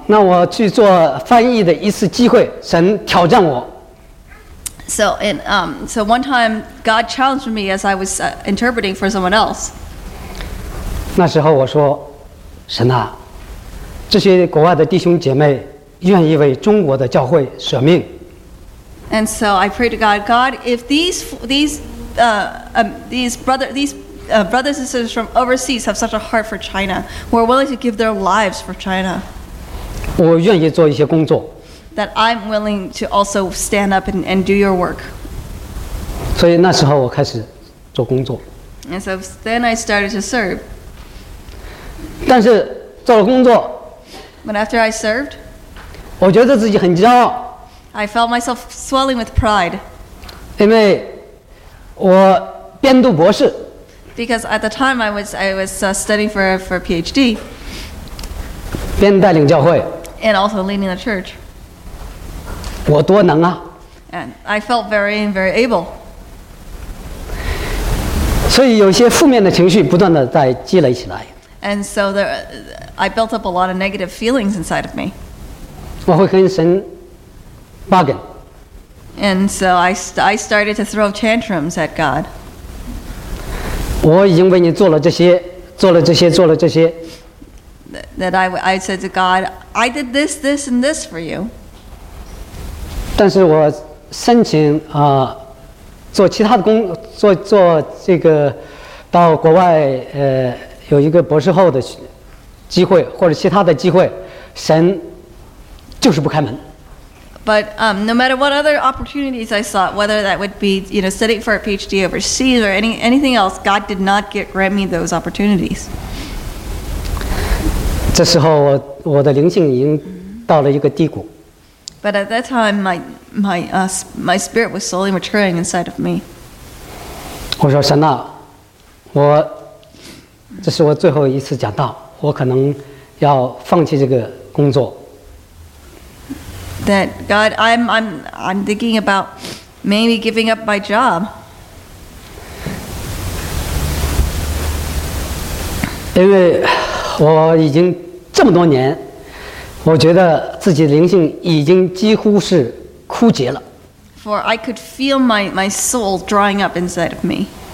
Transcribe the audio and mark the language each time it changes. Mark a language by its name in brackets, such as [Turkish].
[Chinese] 那我去做翻译的一次机会，神挑战我。 [English] So in so one time God challenged me as I was interpreting for someone else. [Chinese] 那时候我说，神啊，这些国外的弟兄姐妹愿意为中国的教会舍命。 [English] And so I prayed to God, God, if these brothers and sisters from overseas have such a heart for China, who are willing to give their lives for China, [Chinese] 我愿意做一些工作。 [English] That I'm willing to also stand up and do your work. [Chinese] 所以那时候我开始做工作。 [English] And so then I started to serve. [Chinese] 但是做了工作。 [English] But after I served, [Chinese] 我觉得自己很骄傲。 [English] I felt myself swelling with pride. [Chinese] 因为我边读博士。 [English] Because at the time I was studying for a PhD. [Chinese] 边带领教会。 [English] And also leading the church. [Chinese] 我多能啊。 [English] And I felt very, very able. [Chinese] 所以有些负面的情绪不断的在积累起来。 [English] And so I built up a lot of negative feelings inside of me. [Chinese] 我会跟神bargain. [English] And so I started to throw tantrums at God. [Chinese] 我已经为你做了这些，做了这些，做了这些。 [English] That I said to God, I did this, this, and this for you. [Chinese] 但是我申请做其他的工，做这个到国外有一个博士后的机会或者其他的机会，神就是不开门。 [English] But no matter what other opportunities I sought, whether that would be, you know, studying for a PhD overseas or anything else, God did not grant me those opportunities. [Chinese] 这时候我的灵性已经到了一个低谷。 [English] But at that time, my spirit was slowly maturing inside of me. [Chinese] 我说神啊，我这是我最后一次讲道，我可能要放弃这个工作。 [English] That God, I'm thinking about maybe giving up my job. [Chinese] 因为我已经这么多年，我觉得自己灵性已经几乎是枯竭了。 [English] For I could feel my soul drying up inside of me.